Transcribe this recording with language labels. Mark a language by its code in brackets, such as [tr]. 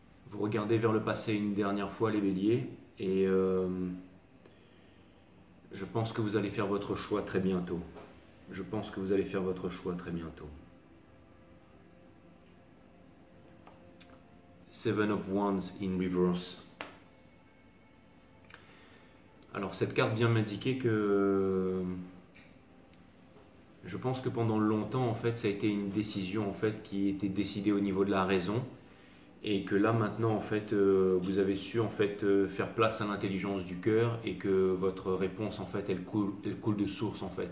[fr] Vous regardez vers le passé une dernière fois, les béliers, et je pense que vous allez faire votre choix très bientôt. Je pense que vous allez faire votre choix très bientôt. [en] Seven of Wands in reverse. [fr] Alors, cette carte vient m'indiquer que je pense que pendant longtemps, en fait, ça a été une décision en fait qui était décidée au niveau de la raison. et que là maintenant en fait vous avez su en fait faire place à l'intelligence du cœur et que votre réponse en fait elle coule de source en fait.